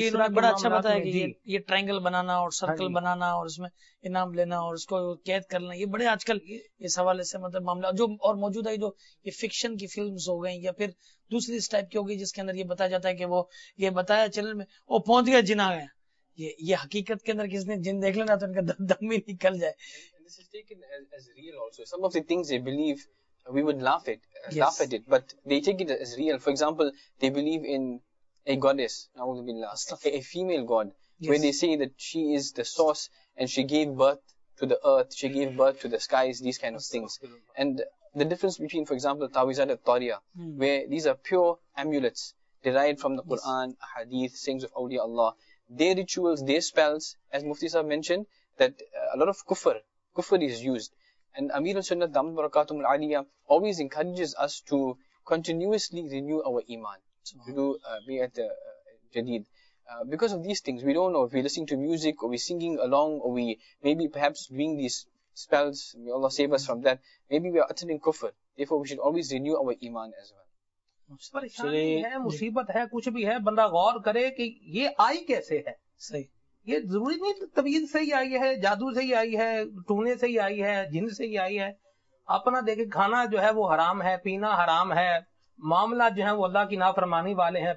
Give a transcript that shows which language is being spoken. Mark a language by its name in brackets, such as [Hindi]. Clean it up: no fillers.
[Urdu] یہ بڑا اچھا بتایا کہ یہ ٹرائنگل بنانا اور سرکل بنانا اور اس میں انعام لینا اور اس کو قید کرنا, یہ بڑے آج کل اس حوالے سے مطلب معاملہ جو اور موجود ہے, جو یہ فکشن کی فلمز ہو گئی یا پھر دوسری اس ٹائپ کی ہو گئی جس کے اندر یہ بتایا جاتا ہے کہ وہ یہ بتایا چینل میں وہ پہنچ گیا جن آ گیا, یہ حقیقت کے اندر کس نے جن دیکھ لینا تو ان کا دم ہی نکل جائے. [English] This is taken as real also. Some of the things they believe, we would laugh at it, but they take it as real. For example, they believe in a goddess, a female god, where they say that she is the source and she gave birth to the earth, she gave birth to the skies, these kind of things. And the difference between, for example, Tawizat al-Tariya, where these are pure amulets derived from the Quran, Ahadith, sayings of Awliya Allah. Their rituals, their spells, as Mufti Sahib mentioned, that a lot of kufr is used. And Amir al-Sunnah, Damat Barakatum al-Aliyah, always encourages us to continuously renew our iman, to do bi'at jadid. Because of these things, we don't know if we're listening to music, or we're singing along, or we maybe perhaps doing these spells, may Allah save us from that, maybe we are uttering kufr. Therefore, we should always renew our iman as well. [Urdu] پریشانی ہے, مصیبت ہے, کچھ بھی ہے, بندہ غور کرے کہ یہ آئی کیسے ہے. صحیح. یہ ضروری نہیں طبیعت سے ہی آئی ہے, جادو سے ہی آئی ہے, ٹونے سے ہی آئی ہے, جن سے ہی آئی ہے. اپنا دیکھے کھانا جو ہے وہ حرام ہے, پینا حرام ہے, معاملہ جو ہے وہ اللہ کی نافرمانی والے ہیں.